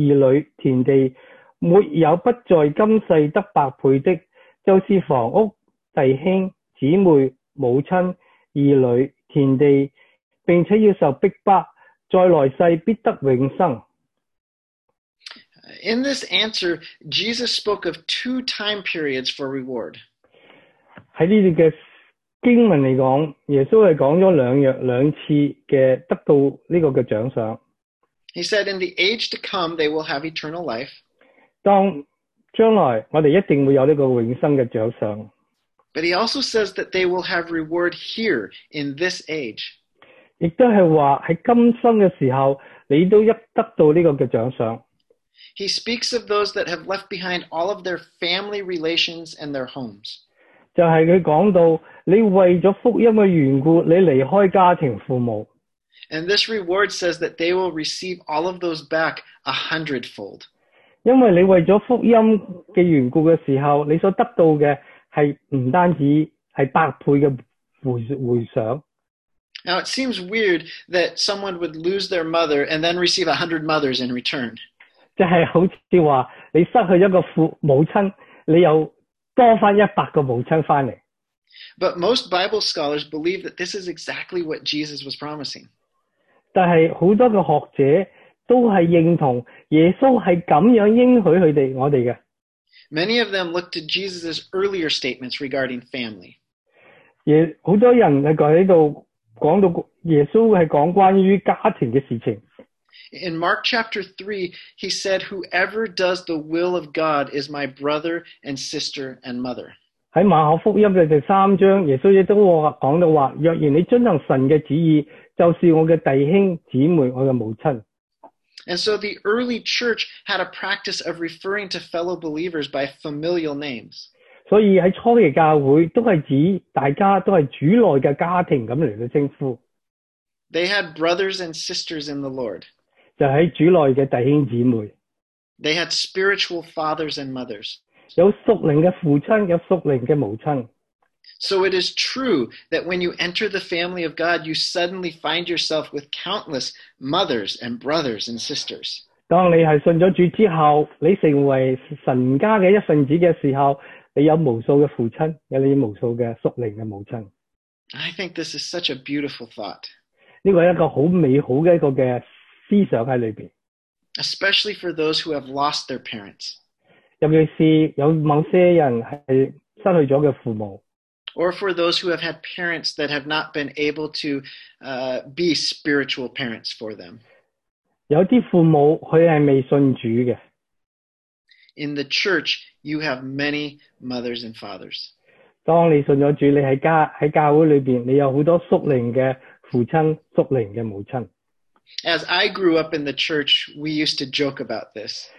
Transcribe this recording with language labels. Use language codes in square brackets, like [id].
[zh] 义女田地没有不在今世得百倍的，就是房屋、弟兄、姊妹、母亲、儿女、田地，并且要受逼迫，在来世必得永生。 [en] In this answer, Jesus spoke of two time periods for reward. [zh] 在这段的经文来讲，耶稣是讲了两次的得到这个的奖赏。 [en] He said, in the age to come, they will have eternal life. [zh] 当将来我们一定会有这个永生的奖赏。 [en] But he also says that they will have reward here in this age. [zh] 亦都是说在今生的时候你都一得到这个的奖赏。 [en] He speaks of those that have left behind all of their family relations and their homes. [zh] 就是他讲到你为了福音的缘故你离开家庭父母。 [en] And this reward says that they will receive all of those back 100-fold. [zh] 因为你为了福音的缘故的时候你所得到的是不单止是百倍的回赏。 [en] Now it seems weird that someone would lose their mother and then receive 100 mothers in return. [zh] 就是好像说你失去一个母亲你又多回100个母亲回来。 [en] But most Bible scholars believe that this is exactly what Jesus was promising. [zh] 但是很多的学者都是认同耶稣是这样应许他们我们的。 [en] Many of them look to Jesus' earlier statements regarding family. [zh] 很多人在这里讲到耶稣是讲关于家庭的事情。 [en] In Mark chapter 3, he said, Whoever does the will of God is my brother and sister and mother. [zh] 在马可福音的第三章耶稣也都讲到说若然你遵行神的旨意就是我的弟兄、姊妹、我的母亲。 [en] And so the early church had a practice of referring to fellow believers by familial names. [zh] 所以在初期教会都是指大家都是主内的家庭这样来称呼。 [en] They had brothers and sisters in the Lord. [zh] 就是主内的弟兄姊妹。 [en] They had spiritual fathers and mothers. [zh] 有属灵的父亲，有属灵的母亲。 [en] So it is true that when you enter the family of God, you suddenly find yourself with countless mothers and brothers and sisters. [zh] 当你是信了主之后，你成为神家的一份子的时候，你有无数的父亲，有你无数的属灵的母亲。 [en] I think this is such a beautiful thought. [zh] 这个是一个很美好的一个的思想在里面。 [en] Especially for those who have lost their parents. [zh] 尤其是有某些人是失去了的父母。 [en] Or for those who have had parents that have not been able to be spiritual parents for them. [zh] 有些父母他是未信主的。 [en] In the church, you have many mothers and fathers. [zh] 当你信了主，你在教会里面，你有很多属灵的父亲、属灵的母亲。 [en] As I grew up in the church, we used to joke about this.